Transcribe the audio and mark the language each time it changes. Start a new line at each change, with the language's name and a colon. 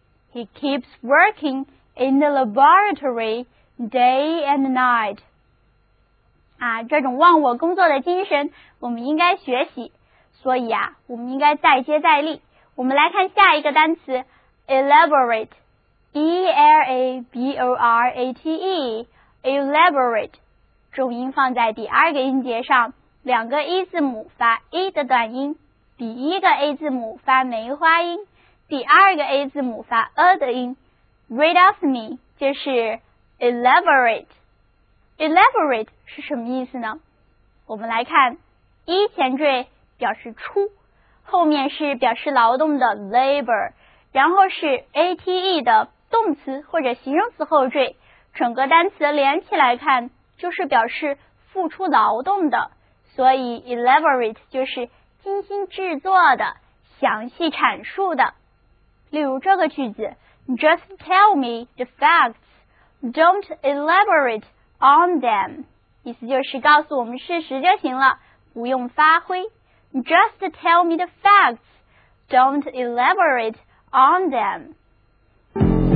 English: He keeps working in the laboratory day and night.
Chinese: 啊，这种忘我工作的精神我们应该学习，所以啊，我们应该再接再厉。我们来看下一个单词elaborate， E-L-A-B-O-R-A-T-E， elaborate， 重音放在第二个音节上，两个 E 字母发 E 的短音，第一个 A 字母发梅花音，第二个 A 字母发 A 的音，
English: read off me
Chinese: 就是 elaborate。 elaborate 是什么意思呢？我们来看 E 前缀表示出，后面是表示劳动的 labor，然后是 ate 的动词或者形容词后缀，整个单词连起来看就是表示付出劳动的，所以 elaborate 就是精心制作的，详细阐述的。例如这个句子，
English: Just tell me the facts, don't elaborate on them.
Chinese: 意思就是告诉我们事实就行了，不用发挥。
English: Just tell me the facts, don't elaborateon them.